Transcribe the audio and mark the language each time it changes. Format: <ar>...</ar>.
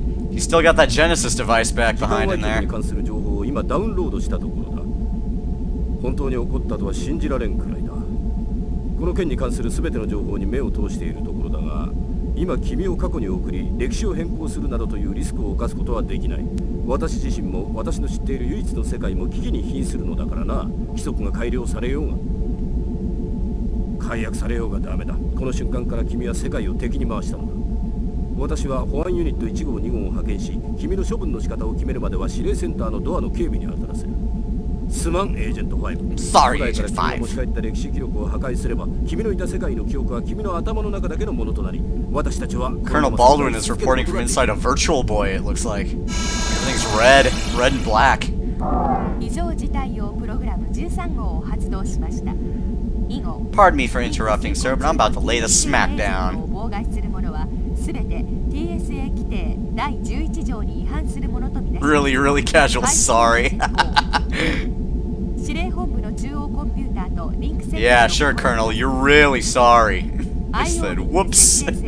<en>He's still got that Genesis device back behind in there.</en> <ja>関する情報を今ダウンロードしたところだ。本当に起こったとは信じられんくらいだ。この件に関する全ての情報に目を通しているところだが、今君を過去に送り、歴史を変更するなどというリスクを犯すことはできない。私自身も私の知っている唯一の世界も危機に瀕するのだからな。規則が改良されようが。解約されようがダメだ。この瞬間から君は世界を敵に回したのだ。私は保安ユニット1号2号を派遣し、君の処分の仕方を決めるまでは指令センターのドアの警備に当たらせる。すまん、エージェント5。</ja> <en>Sorry, Agent 5。</en> <ja>古代から君が持ち帰った歴史記録を破壊すれば、君のいた世界の記憶は君の頭の中だけのものとなり、私たちは。</ja> <en>Colonel Baldwin is reporting from inside a virtual boy, it looks like. Everything's red, red and black.</en> <ja>異常事態用プログラム13号を発動しました。以後、</ja> <en>Pardon me for interrupting, sir, but I'm about to lay the smack down.</en> <ja>妨害するものは、すべて TSA 規定第11条に違反するものとみな</ja> <en>す。Really, really casual, sorry.</en> <ja>司令本部の中央コンピューターとリンク設定。</ja> <en>Yeah, sure, Colonel, you're really sorry. I said, whoops.</en>